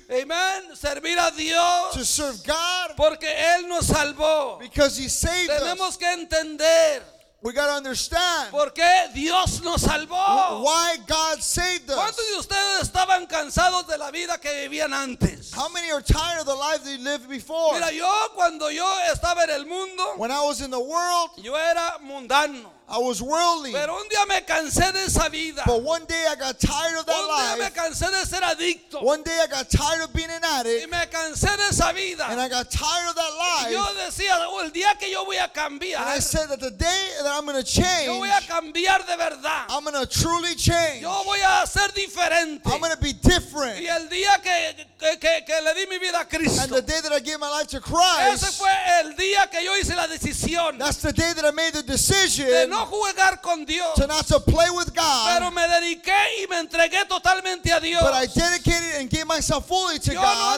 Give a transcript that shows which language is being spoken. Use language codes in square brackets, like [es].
[es] Amen. Servir a Dios. [en] To serve God. [es] Porque Él nos salvó. [en] Because He saved [es] tenemos [en] us. [es] Tenemos que entender. [en] We got to understand. [es] ¿Por qué Dios nos salvó? [en] Why God saved us? [es] ¿Cuántos de ustedes estaban cansados de la vida que vivían antes? [en] How many are tired of the life they lived before? [es] Mira, yo cuando yo estaba en el mundo. [en] When I was in the world. [es] Yo era mundano. [en] I was worldly. [es] Pero un día me cansé de esa vida. [en] But one day I got tired of that [es] un día [en] life. [es] Me cansé de ser adicto. [en] One day I got tired of being an addict. [es] Y me cansé de esa vida. [en] And I got tired of that life. [es] Y yo decía, el día que yo voy a cambiar. [en] And I said that the day that I'm going to change. [es] Yo voy a cambiar de verdad. [en] I'm going to truly change. [es] Yo voy a ser diferente. [en] I'm going to be different. [es] Y el día que le di mi vida a Cristo. [en] And the day that I gave my life to Christ. [es] Ese fue el día que yo hice la decisión. [en] That's the day that I made the decision. [es] De no jugar con Dios. [en] To not to play with God. [es] Pero me dediqué y me entregué totalmente a Dios. [en] But I dedicated and gave myself fully to God.